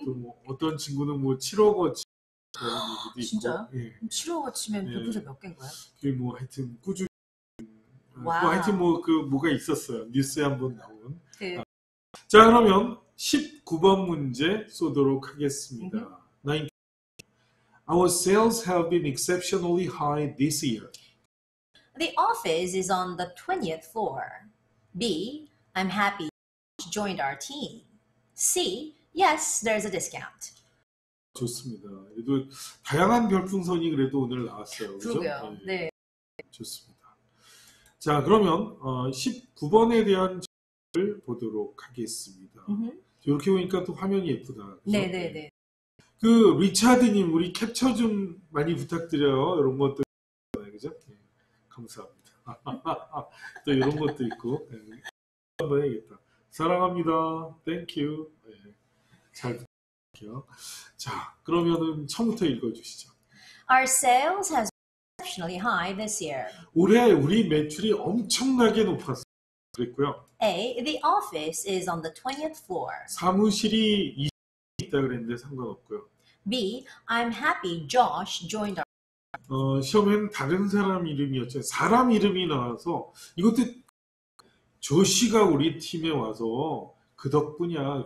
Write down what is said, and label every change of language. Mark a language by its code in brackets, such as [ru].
[ko] 또 뭐 어떤 친구는 뭐 7억 어치 그런 얘기도 있고. 진짜? 네. 7억 어치면 풍선 몇 개인 거야? 그 뭐 하여튼 꾸준히 뭐 하여튼 뭐 그 뭐가 있었어요. 뉴스에 한번 나온. 네. 자 그러면 19번 문제 쏘도록 하겠습니다. 19. [en] Our sales have been exceptionally high this year. The office is on the 20th floor. B. I'm happy to join our team. C. Yes, there's a discount. [ko] 좋습니다. 그래도 다양한 별풍선이 그래도 오늘 나왔어요. 그렇죠? 네. 좋습니다. 자, 그러면 19번에 대한 정답을 보도록 하겠습니다. 이렇게 보니까 또 화면이 예쁘다. 그렇죠? 네네네. 그 리차드님 우리 캡처 좀 많이 부탁드려요. 이런 것도 그죠? 네, 감사합니다. 또 이런 것도 있고 네, 한번 해야겠다. 사랑합니다. 땡큐. 네, 잘 부탁드릴게요. 자 그러면은 처음부터 읽어주시죠. [en] Our sales has been exceptionally high this year. [ko] 올해 우리 매출이 엄청나게 높았어요. 그랬고요. [en] A. The office is on the 20th floor. [ko] 사무실이 20층에 있다 그랬는데 상관없고요. [en] B. I'm happy Josh joined our. [ko] 시험엔 다른 사람 이름이었죠. 사람 이름이 나와서 이것도 조시가 우리 팀에 와서 그 덕분이야.